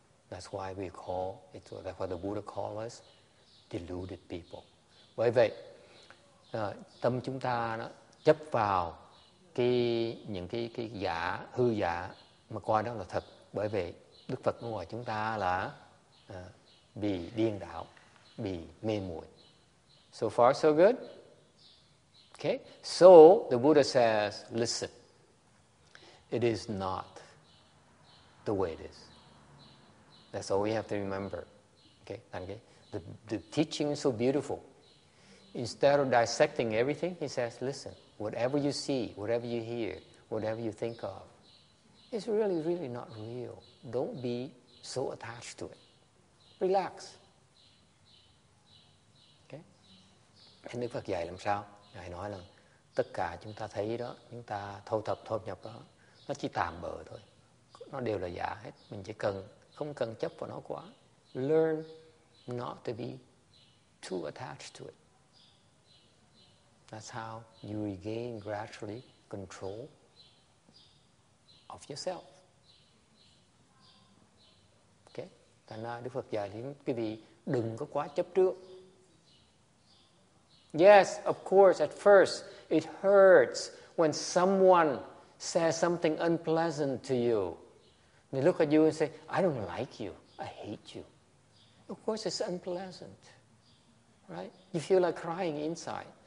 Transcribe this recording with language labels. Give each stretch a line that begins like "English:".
English: That's why we call it, that's why the Buddha call us deluded people.
Vietnamese: Bởi vậy, tâm chúng ta nó chấp vào cái những cái giả, hư giả mà coi đó là thật. Bởi vậy, Đức Phật nói chúng ta là bị điên đảo, bị mê muội.
English: So far, so good? Okay, so the Buddha says, listen, it is not the way it is. That's all we have to remember. Okay, the teaching is so beautiful. Instead of dissecting everything, he says, listen, whatever you see, whatever you hear, whatever you think of, it's really, really not real. Don't be so attached to it. Relax. Okay? And
Vietnamese: Đức Phật dạy làm sao? Ngài nói là tất cả chúng ta thấy đó, chúng ta thâu thập, thâu nhập đó, nó chỉ tạm bợ thôi. Nó đều là giả hết. Mình chỉ cần, không cần chấp vào nó quá.
English: Learn not to be too attached to it. That's how you regain gradually control of yourself. Okay?
Vietnamese: Thành ra Đức Phật dạy đến quý vị đừng có quá chấp trước.
English: Yes, of course, at first, it hurts when someone says something unpleasant to you. They look at you and say, I don't like you. I hate you. Of course, it's unpleasant, right? You feel like crying inside.